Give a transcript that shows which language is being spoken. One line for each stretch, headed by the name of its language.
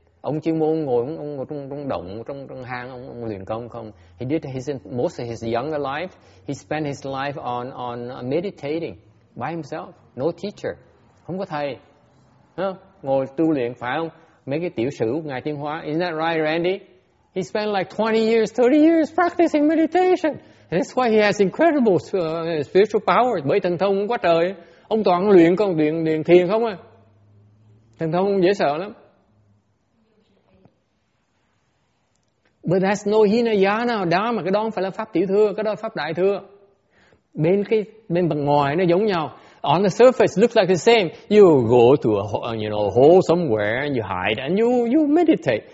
Vietnamese: Ông chuyên môn ngồi trong động, trong hang, ông luyện công không.
English: He did most of his younger life. He spent his life on meditating by himself. No teacher.
Vietnamese: Không có thầy. Huh? Ngồi tu luyện, phải không? Mấy cái tiểu sử của Ngài Tiên Hóa.
English: Isn't that right, Randy? He spent like 20 years, 30 years practicing meditation. And that's why he has incredible spiritual power.
Vietnamese: Bởi thần thông quá trời. ông toàn luyện con luyện thiền không à, thần thông dễ sợ lắm.
English: But that's no Hinayana,
Vietnamese: đó mà cái đó không phải là pháp tiểu thừa, cái đó là pháp đại thừa. Bên bằng ngoài nó giống nhau.
English: On the surface looks like the same. You go to a hole, you know, hole somewhere and you hide and you meditate.